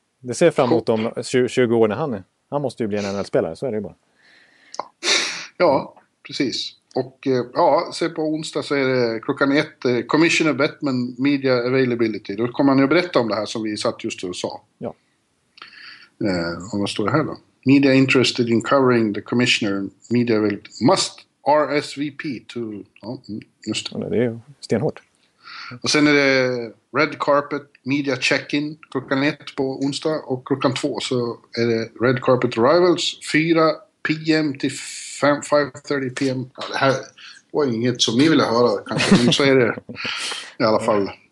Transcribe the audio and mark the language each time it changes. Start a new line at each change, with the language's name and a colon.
Swedish: Det ser fram emot om 20 år när han är. Han måste ju bli en NHL-spelare, så är det ju bara. Ja, precis. Och ja, se på onsdag så är det klockan 1 Commissioner Bettman Media Availability. Då kommer han ju berätta om det här som vi satt just och sa. Ja. Och vad står det här då?
English: Media interested in covering the Commissioner Media Availability must RSVP to...
Swedish: Ja, just det. Det är ju stenhårt. Och sen är det Red Carpet Media Check-in klockan 1 på onsdag och klockan 2 så är det Red Carpet Arrivals 4 p.m. till 5:30 p.m. Ja, det här var inget som ni ville höra kanske, men så är det i alla fall.